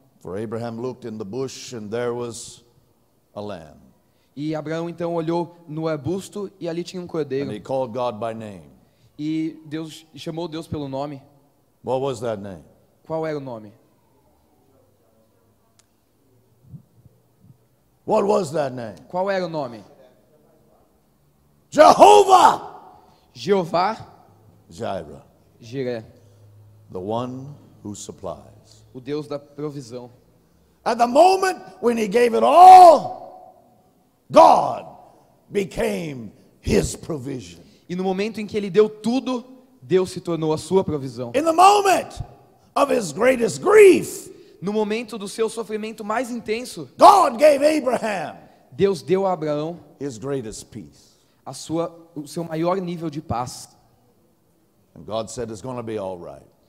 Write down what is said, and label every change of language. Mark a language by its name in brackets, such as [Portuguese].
[English] For Abraham looked in the bush and there was a lamb. [Portuguese] E Abraão então olhou no arbusto e ali tinha um cordeiro. [English] And he called God by name. [Portuguese] E Deus chamou Deus pelo nome. [English] What was that name? [Portuguese] Qual era o nome? [English] What was that name? [Portuguese] Qual era o nome? [English] Jehovah. [Portuguese] Jeová. [English] Jireh. [Portuguese] Jireh. [English] The one who supplies. [Portuguese] O Deus da provisão. [English] At the moment when he gave it all, God became his provision. [Portuguese] E no momento em que ele deu tudo, Deus se tornou a sua provisão. [English] In the moment of his greatest grief, [Portuguese] no momento do seu sofrimento mais intenso, [English] God gave Abraham, [Portuguese] Deus deu a Abraão [English] his greatest peace, [Portuguese] a sua, o seu maior nível de paz. [English] And God said, it's gonna be all right.